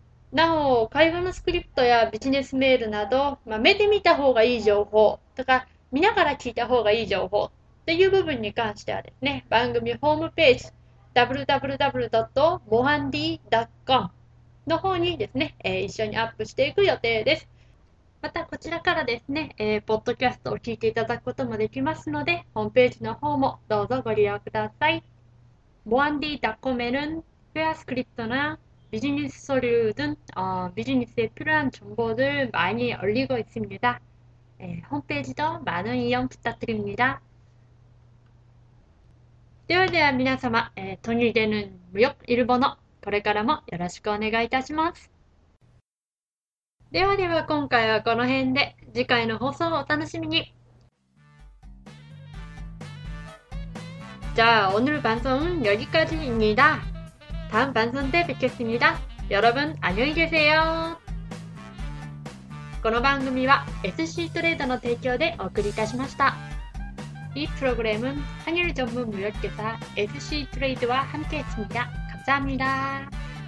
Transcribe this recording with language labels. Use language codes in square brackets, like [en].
[ja] なお、会話のスクリプトやビジネスメールなど、まあ、目で見た方がいい情報とか、見ながら聞いた方がいい情報っていう部分に関してはですね、番組ホームページ、www.mohandy.com の方にですね、一緒にアップしていく予定です。またこちらからですね、ポッドキャストを聞いていただくこともできますので、ホームページの方もどうぞご利用ください。 [ko] 무한디닷컴에는 회화 스크립트나 비즈니스 서류 등 비즈니스에 필요한 정보들 많이 올리고 있습니다. 네, 홈페이지도 많은 이용 부탁드립니다. [ja] では皆様、どんにでぬ、無역일본어、これからもよろしくお願いいたします。では今回はこの辺で、次回の放送をお楽しみに。 [ko] じゃあ、오늘방송은여기까지입니다。 다음방송で뵙겠습니다。 여러분、안녕히계세요。 [ja] この番組は SC トレードの提供でお送りいたしました。 [ko] 이 프로그램은 한일 전문 무역 회사 SC 트레이드와 함께 했습니다. 감사합니다.